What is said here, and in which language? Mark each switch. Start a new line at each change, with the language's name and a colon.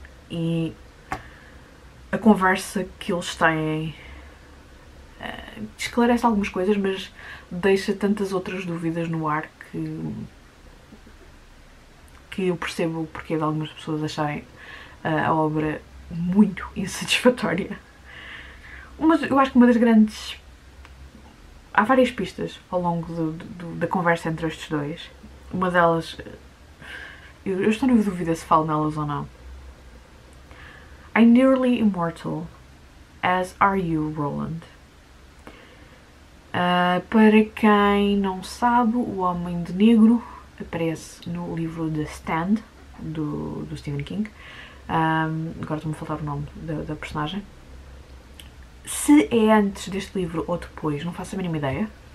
Portuguese: E a conversa que eles têm esclarece algumas coisas, mas deixa tantas outras dúvidas no ar que eu percebo o porquê de algumas pessoas acharem a obra muito insatisfatória. Mas eu acho que uma das grandes. Há várias pistas ao longo da conversa entre estes dois. Uma delas. Eu estou na dúvida se falo nelas ou não.
English: "I'm nearly immortal, as are you, Roland."
Portuguese: Para quem não sabe, o Homem de Negro aparece no livro The Stand, do Stephen King. Agora estou-me a faltar o nome da personagem. Se é antes deste livro ou depois, não faço a mínima ideia.